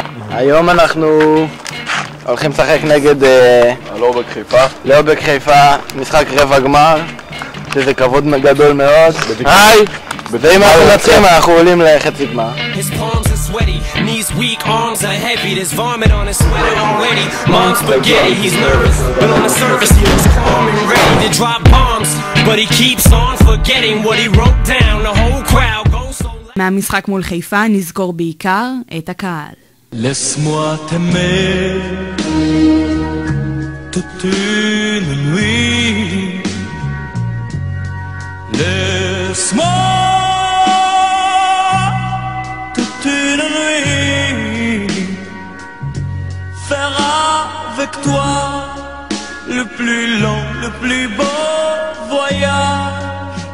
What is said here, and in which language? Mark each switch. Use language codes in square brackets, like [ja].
[he] היום אנחנו הולכים לשחק נגד לאובק חיפה. לאובק חיפה, משחק רבע גמר. איזה כבוד גדול מאוד. היי! ואם אנחנו נצחים אנחנו עולים לחצי גמר. [en] His palms are sweaty, knees weak, arms are heavy, there's vomit on his sweater already, mom's spaghetti, he's nervous, but on the surface he looks calm and ready to drop bombs, but he keeps on forgetting what he wrote down, the whole crowd goes so loud. [he] מהמשחק מול חיפה נזכור בעיקר את הקהל. [fr] Laisse-moi t'aimer toute une nuit, laisse-moi toute une nuit faire avec toi le plus long, le plus beau voyage.